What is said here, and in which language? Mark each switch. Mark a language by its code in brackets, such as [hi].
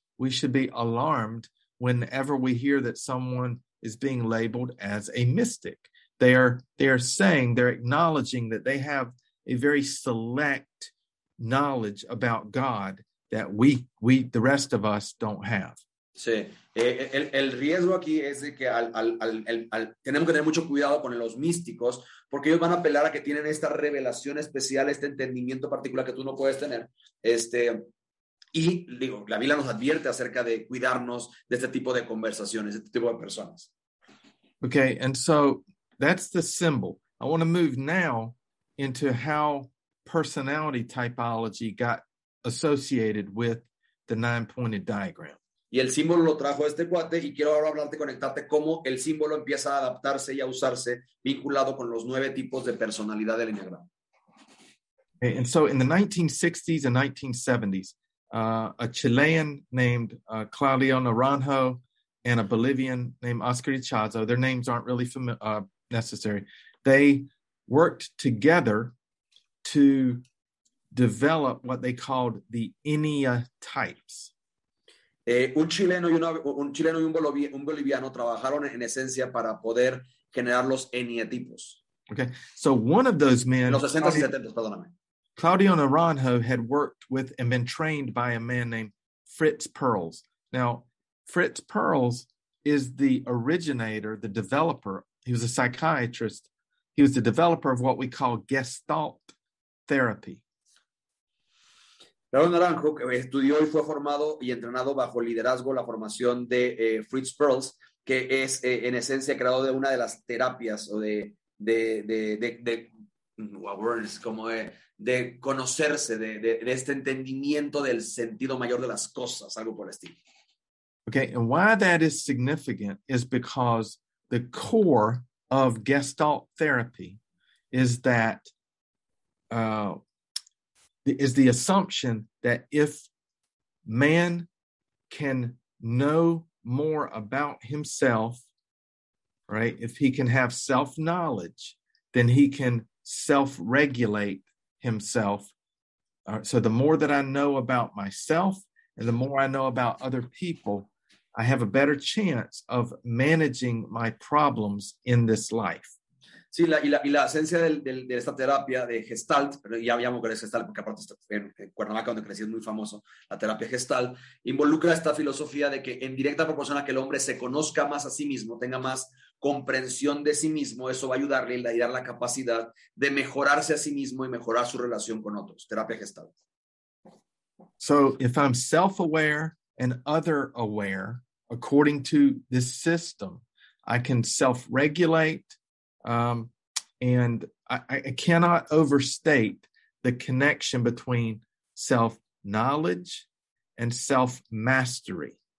[en] We should be alarmed whenever we hear that someone is being labeled as a mystic. They are saying, they're acknowledging that they have a very select knowledge about God that we the rest of us don't have. [es] Sí, el riesgo aquí es de que al tenemos que tener mucho cuidado con los místicos, porque ellos van a apelar a que tienen esta revelación especial, este entendimiento particular que tú no puedes tener. Y digo, la Biblia nos advierte acerca de cuidarnos de este tipo de conversaciones, de este tipo de personas. [en] Okay, and so that's the symbol. I want to move now into how personality typology got associated with the nine-pointed diagram. [es] Y el símbolo lo trajo este cuate, y quiero ahora hablarte, conectarte cómo el símbolo empieza a adaptarse y a usarse vinculado con los nueve tipos de personalidad del Eneagrama. [en] Okay, and so in the 1960s and 1970s, a Chilean named Claudio Naranjo and a Bolivian named Oscar Ichazo, their names aren't really necessary, they worked together to develop what they called the Enea types. [es] Un chileno y un boliviano trabajaron en esencia para poder generar los eneatipos. [en] Okay, so one of those men, [es] los 60s y 70s, perdóname. [en] Claudio Naranjo had worked with and been trained by a man named Fritz Perls. Now, Fritz Perls is the originator, the developer. He was a psychiatrist. He was the developer of what we call Gestalt therapy. [es] Claudio Naranjo estudió y fue formado y entrenado bajo liderazgo la formación de Fritz Perls, que es en esencia creado de una de las terapias o de conocerse, de este entendimiento del sentido mayor de las cosas, algo por el estilo. [en] Okay, and why that is significant is because the core of Gestalt therapy is that is the assumption that if man can know more about himself, right, if he can have self-knowledge, then he can self-regulate himself. So the more that I know about myself and the more I know about other people, I have a better chance of managing my problems in this life. [es] Sí, y la esencia de esta terapia de Gestalt, pero ya habíamos creado Gestalt, porque aparte está en Cuernavaca, donde crecí, es muy famoso, la terapia Gestalt, involucra esta filosofía de que en directa proporción a que el hombre se conozca más a sí mismo, tenga más comprensión de sí mismo, eso va a ayudarle y le dará la capacidad de mejorarse a sí mismo y mejorar su relación con otros. Terapia Gestalt. [en] So, if I'm self-aware and other-aware, according to this system, I can self-regulate. And I cannot overstate the connection between self-knowledge and self-mastery.